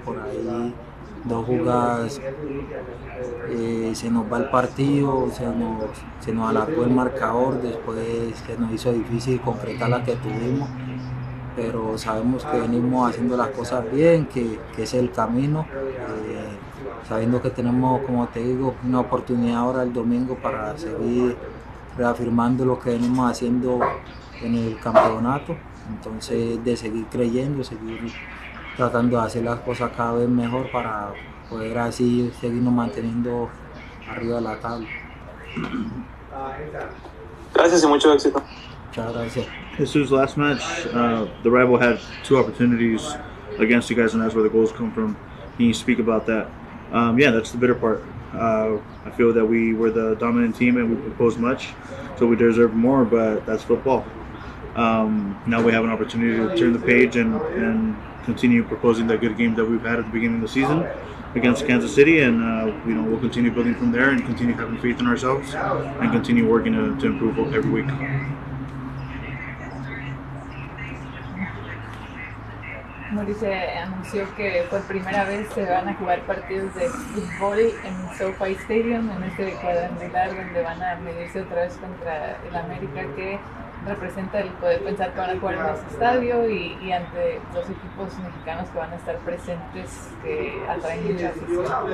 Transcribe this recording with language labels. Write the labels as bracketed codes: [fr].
[es] Por ahí dos jugadas, se nos va el partido, se nos alargó el marcador, después se nos hizo difícil concretar la que tuvimos, pero sabemos que venimos haciendo las cosas bien, que es el camino, sabiendo que tenemos, como te digo, una oportunidad ahora el domingo para seguir reafirmando lo que venimos haciendo en el campeonato. Entonces, de seguir creyendo, seguir tratando de hacer las cosas cada vez mejor para poder así seguirnos manteniendo arriba de la tabla. Gracias y mucho éxito. Muchas gracias. [en] Jesús, last match, the rival had two opportunities against you guys, and that's where the goals come from. Can you speak about that? That's the bitter part. I feel that we were the dominant team and we proposed much, so we deserve more, but that's football. Now we have an opportunity to turn the page and continue proposing that good game that we've had at the beginning of the season against Kansas City, and we'll continue building from there and continue having faith in ourselves and continue working to improve every week. [es] Maurice anunció que por primera vez se van a jugar partidos de fútbol en SoFi Stadium, en este cuadrangular donde van a medirse otra vez contra el América, que representa el poder pensar que van a jugar en ese estadio y ante dos equipos mexicanos que van a estar presentes, que atraen mucha afición.